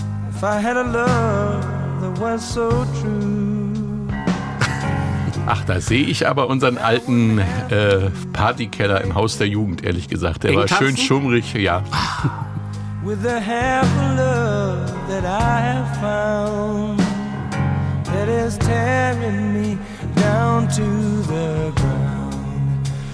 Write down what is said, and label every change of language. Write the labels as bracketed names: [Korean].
[English] If I had a love that was so true. [German] Ach, da sehe ich aber unseren alten Partykeller im Haus der Jugend, ehrlich gesagt. Der war schön schummrig, ja. [English] With the half of love that I have found, that is tearing me down to the ground.